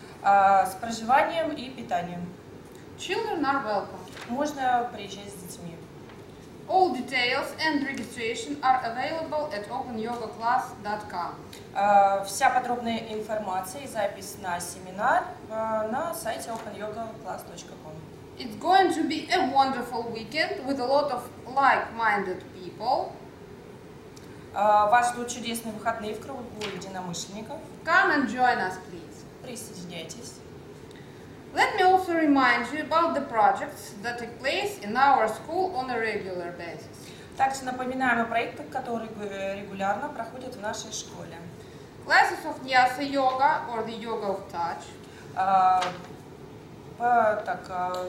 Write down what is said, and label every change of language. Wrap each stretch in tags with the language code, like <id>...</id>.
<ru>С проживанием и питанием.</ru> <en>Children are welcome.</en> <ru>Можно приезжать с детьми.</ru> <en>All details and registration are available at openyogaclass.com.</en> <ru>Вся подробная информация и запись на семинар на сайте openyogaclass.com.</ru> <en>It's going to be a wonderful weekend with a lot of like-minded people.</en> <ru>Вас ждут чудесные выходные в кругу единомышленников.</ru> <en>Come and join us, please.</en> <ru>Присоединяйтесь.</ru> <en>Let me also remind you about the projects that take place in our school on a regular basis.</en> <ru>Также напоминаем о проектах, которые регулярно проходят в нашей школе.</ru> <en>Classes of Nyasa Yoga or the Yoga of Touch.</en>